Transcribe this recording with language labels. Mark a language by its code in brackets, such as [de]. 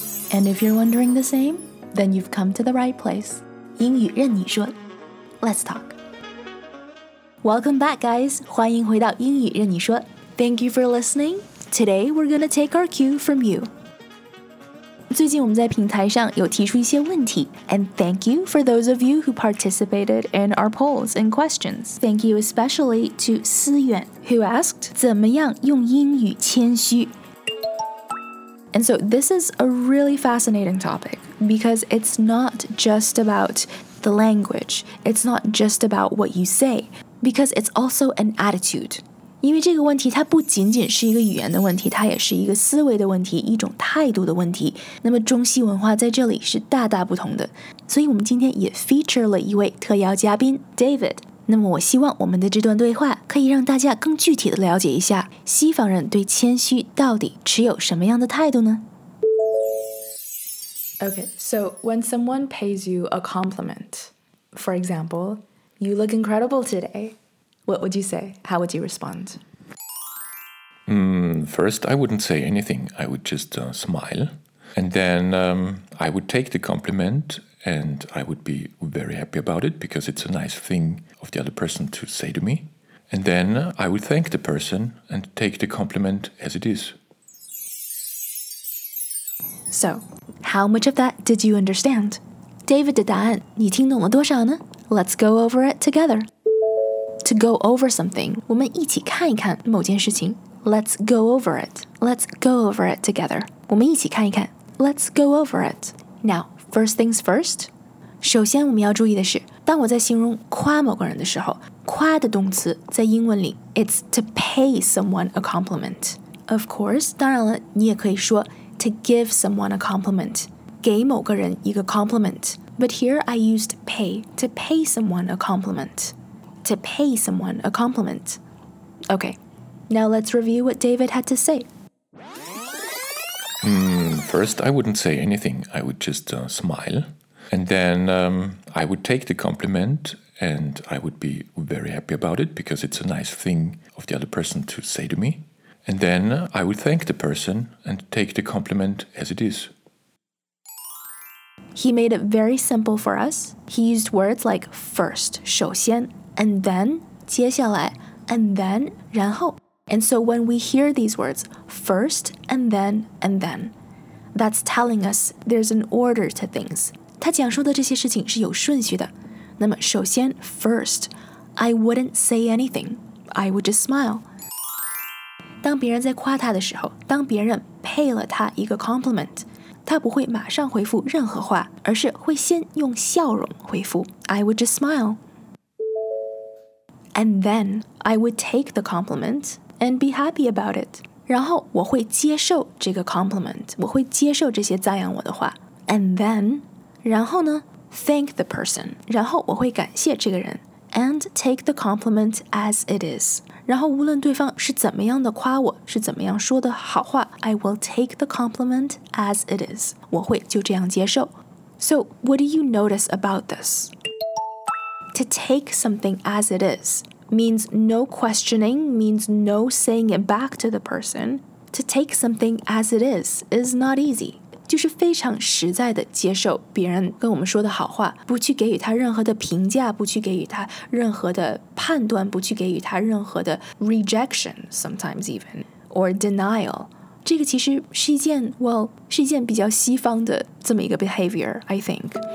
[en] ？And if you're wondering the same, then you've come to the right place. [zh] 英语任你说 ， [en] Let's talk. Welcome back, guys. [zh] 欢迎回到英语任你说。 [en] Thank you for listening. Today we're gonna take our cue from you. [zh] 最近我们在平台上有提出一些问题 [en] and thank you for those of you who participated in our polls and questions. Thank you especially to 思远 who asked [zh] 怎么样用英语谦虚 [en] And so this is a really fascinating topic because it's not just about the language. It's not just about what you say because it's also an attitude. [zh] 因为这个问题它不仅仅是一个语言的问题，它也是一个思维的问题，一种态度的问题。那么中西文化在这里是大大不同的，所以我们今天也 feature 了一位特邀嘉宾 David。那么我希望我们的这段对话可以让大家更具体的了解一下西方人对谦虚到底持有什么样的态度呢？ [en] Okay, so when someone pays you a compliment, for example, you look incredible todayWhat would you say? How would you respond? First, I wouldn't say anything. I would just smile. And then I would take the compliment and I would be very happy about it because it's a nice thing of the other person to say to me. And then I would thank the person and take the compliment as it is. So, how much of that did you understand? [zh] David 的答案你听懂了多少呢? [en] Let's go over it together. To go over something, [zh] 我们一起看一看某件事情。 [en] Let's go over it. Let's go over it together. [zh] 我们一起看一看。 [en] Let's go over it. Now, first things first. [zh] 首先我们要注意的是，当我在形容夸某个人的时候，夸的动词在英文里 [en] it's to pay someone a compliment. Of course, [zh] 当然了，你也可以说 [en] to give someone a compliment. [zh] 给某个人一个 compliment. [en] But here I used pay to pay someone a compliment. To pay someone a compliment. Okay, now let's review what David had to say. First, I wouldn't say anything. I would just smile. And then I would take the compliment and I would be very happy about it because it's a nice thing of the other person to say to me. And then I would thank the person and take the compliment as it is. He made it very simple for us. He used words like first, [zh] 首先, [en] And then, [zh] 接下来 [en] and then, [zh] 然后 [en] And so when we hear these words, first, and then, that's telling us there's an order to things. [zh] 他讲述的这些事情是有顺序的。那么首先 [en] first, I wouldn't say anything. I would just smile. [zh] 当别人在夸他的时候，当别人 pay 了他一个 compliment, 他不会马上回复任何话，而是会先用笑容回复 [en] I would just smile. And then I would take the compliment and be happy about it. [zh] 然后我会接受这个 compliment, 我会接受这些赞扬我的话。 [en] And then, [zh] 然后呢, [en] thank the person. [zh] 然后我会感谢这个人。 [en] And take the compliment as it is. [zh] 然后无论对方是怎么样的夸我,是怎么样说的好话, [en] I will take the compliment as it is. [zh] 我会就这样接受。 [en] So what do you notice about this? To take something as it is means no questioning, means no saying it back to the person. To take something as it is not easy. [zh] 就是非常实在的接受别人跟我们说的好话，不去给予他任何的评价，不去给予他任何的判断，不去给予他任何的 [en] rejection, sometimes even, or denial. [zh] 这个其实是一件, well, 是一件比较西方的这么一个 [en] behavior, I think.